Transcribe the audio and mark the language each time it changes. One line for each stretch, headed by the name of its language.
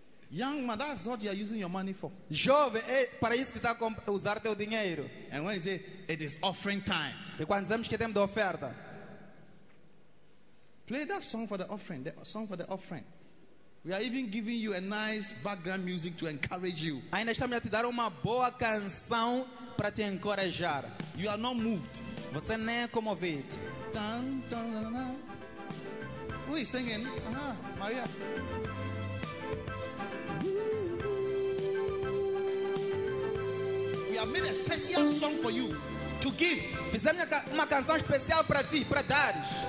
English: Young man, that's what you are using your money for.
Portuguese: Jovem, é para isso que está a usar teu dinheiro.
English: And when you say, it is offering time.
Portuguese: E quando dizemos que temos de oferta.
English: Play that song for the offering. The song for the offering. We are even giving you a nice background music to encourage you.
Portuguese: Ainda estamos a te dar uma boa canção para te encorajar.
English: You are not moved.
Portuguese: Você não é comovido.
English: Dun, dun, dun, dun, dun. Who is singing? Maria. We have made a special song for you to give.
Portuguese: Fizemos uma canção especial para ti, para dares.